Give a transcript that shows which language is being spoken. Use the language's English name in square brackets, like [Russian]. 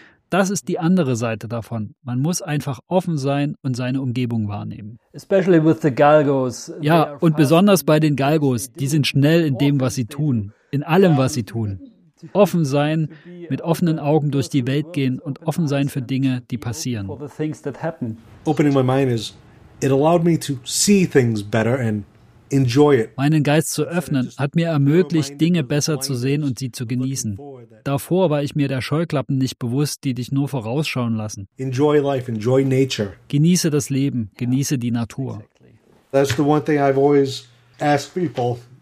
[German] Das ist die andere Seite davon. Man muss einfach offen sein und seine Umgebung wahrnehmen. [English] Especially with the Galgos. [German] Ja, und besonders bei den Galgos, die sind schnell in dem, was sie tun. In allem, was sie tun. Offen sein, mit offenen Augen durch die Welt gehen und offen sein für Dinge, die passieren. [English] Opening my mind is, it allowed me to see things better and enjoy it. [German] Meinen Geist zu öffnen, hat mir ermöglicht, Dinge besser zu sehen und sie zu genießen. Davor war ich mir der Scheuklappen nicht bewusst, die dich nur vorausschauen lassen. [English] Enjoy life, enjoy nature. [German] Genieße das Leben, genieße die Natur. [English] That's the one thing I've always asked people.